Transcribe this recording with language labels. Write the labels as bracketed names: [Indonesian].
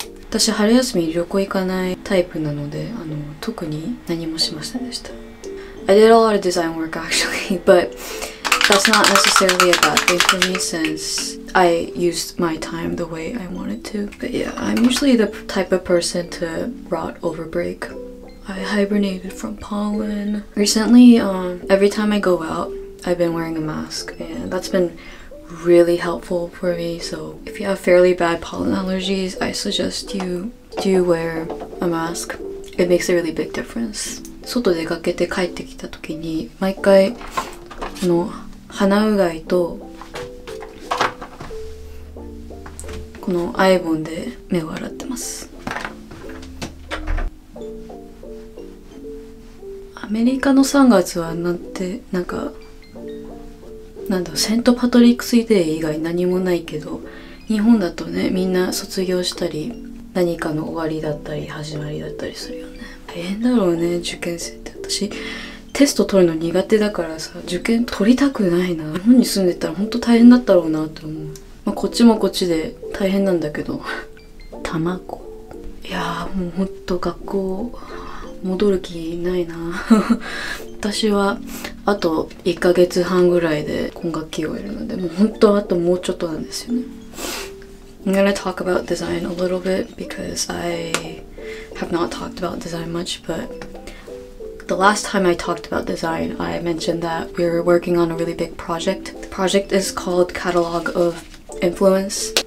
[Japanese] 私春休み旅行行かないタイプなので、特に何もしませんでした。 [English] I did a lot of design work actually, but that's not necessarily a bad thing for me since I used my time the way I wanted to. But yeah, I'm usually the type of person to rot over break. I hibernated from pollen. Recently, every time I go out, I've been wearing a mask, and that's been really helpful for me. So if you have fairly bad pollen allergies, I suggest you do wear a mask. It makes a really big difference. [Japanese] 外出かけて帰ってきた時に毎回鼻うがいとこのアイボンで目を洗ってます。アメリカの3月はなんてなんかなんだろう、セントパトリックスデー以外何もないけど、日本だとねみんな卒業したり何かの終わりだったり始まりだったりするよね。大変だろうね、受験生って。私テスト取るの苦手だからさ、受験取りたくないな。日本に住んでたら本当大変だったろうなと思う。まあ、こっちもこっちで大変なんだけど卵、いやーもう本当学校戻る気ないな私はあと1ヶ月半ぐらいで今学期終えるので、もう本当あともうちょっとなんですよね。 [English] I'm gonna talk about design a little bit because I have not talked about design much, but the last time I talked about design, I mentioned that we were working on a really big project. The project is called Catalog of Influence.